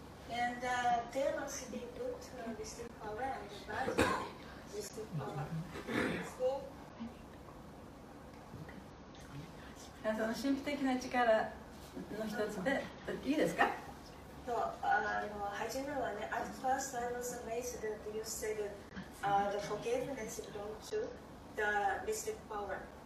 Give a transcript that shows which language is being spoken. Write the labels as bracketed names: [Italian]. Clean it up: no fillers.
[English] And there must be good mystic power and bad mystic power. So, [Japanese] その神秘的な力の一つで、いいですか？そう、はじめはね、 [English] At first I was amazed that you said the forgiveness belongs to the mystic power.